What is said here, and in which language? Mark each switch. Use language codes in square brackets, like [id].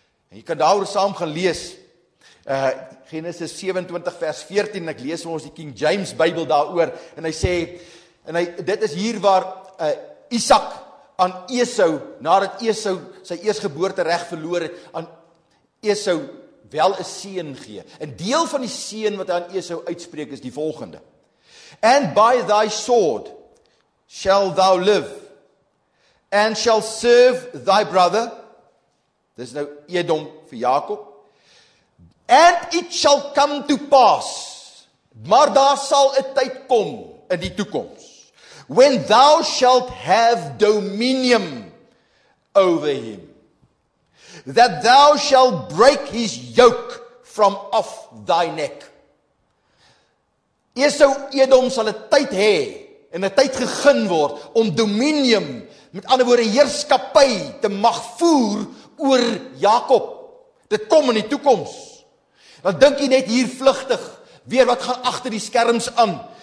[af] En jy kan daaroor saam gaan lees, Genesis 27 vers 14, ek lees ons die King James Bybel daaroor, en hy sê, en hy, dit is hier waar Isaac aan Esau, nadat Esau sy eersgeboorte reg verloor het, aan Esau wel 'n seën gee. En deel van die seën wat hy aan Esau uitspreek is die volgende. [en] And by thy sword shall thou live, and shall serve thy brother, [af] dis nou Edom vir Jakob, [en] and it shall come to pass, [af] maar daar sal 'n tyd kom in die toekoms, [en] when thou shalt have dominion over him, that thou shalt break his yoke from off thy neck. [af] Esau Edom sal 'n tyd hê en 'n tyd gegun word om dominion, met ander woorde heerskappy, te mag voer oor Jakob. Dit kom in die toekoms. Dan dink jy net hier vlugtig, weer wat gaan agter die skerms aan.